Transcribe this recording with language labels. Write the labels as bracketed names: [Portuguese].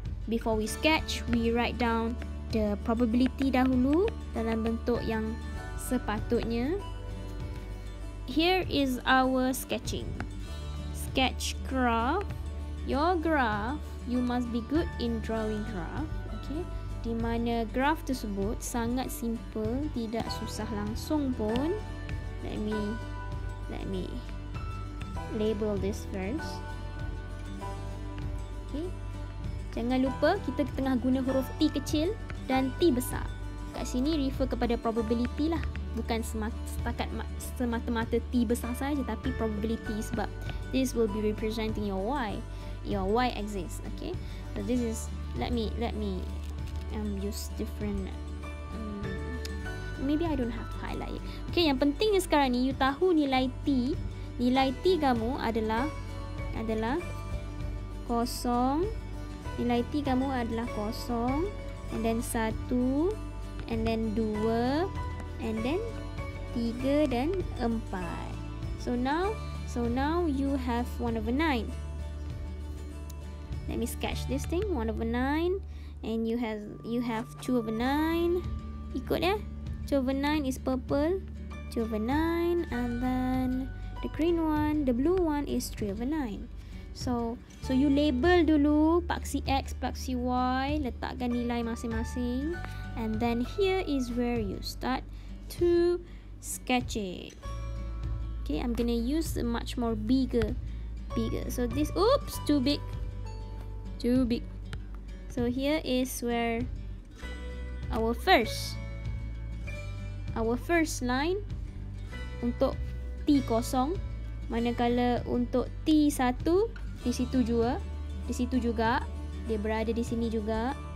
[English] Before we sketch, we write down the probability [Malay] dahulu dalam bentuk yang sepatutnya. [English] Here is our sketching. Sketch graph. Your graph, you must be good in drawing graph. Okay. [Malay] Di mana graf tersebut sangat simple, tidak susah langsung pun. [English] Let me label this first. [Malay] Okay. Jangan lupa kita tengah guna huruf T kecil dan T besar. Kat sini refer kepada probability lah. Bukan semata-mata T besar saja, tapi probability sebab [English] this will be representing your Y. Your Y axis. [Malay] Okay. [English] So this is, let me use different maybe I don't have to highlight. [Malay] Okay, yang pentingnya sekarang ni you tahu nilai t kamu adalah kosong. Nilai t kamu adalah kosong, [English] and then 1, and then 2, and then 3 [Malay] dan 4. [English] So now you have 1 over 9. Let me sketch this thing. 1 over 9. And you have 2 over 9. [Malay] Ikut ya. [English] 2 over 9 is purple. 2 over 9. And then the green one, the blue one is 3 over 9. [Malay] So you label dulu paksi X, paksi Y. Letakkan nilai masing-masing. [English] And then here is where you start to sketch it. Okay, I'm going to use a much more bigger. So this, oops, too big. Too big. So here is where our first line [Malay] untuk T kosong, manakala untuk T 1 di situ juga dia berada di sini juga.